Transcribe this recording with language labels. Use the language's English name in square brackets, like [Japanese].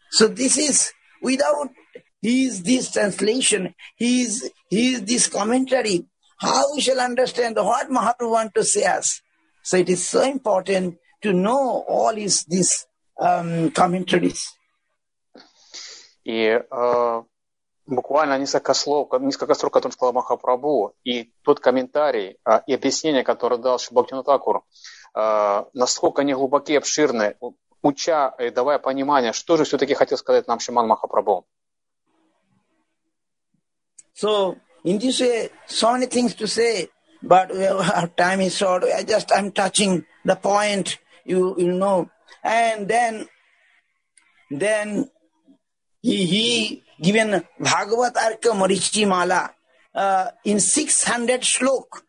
[English] So this is without his this translation, his this commentary, how we shall understand what Mahaprabhu want to say us? So it is so important to know all his these commentaries. [Russian] И буквально несколько строк, которые сказал Махапрабху, и тот комментарий и объяснение, которое дал Бхактивинода Тхакур, насколько они глубокие, обширные, уча и давая понимание, что же все-таки хотел сказать нам Шриман Махапрабху. [English] So, in this way, so many things to say, but our time is short. I'm touching the point, you know. And then he given Bhagavat Arka Marichi Mala in 600 shlok.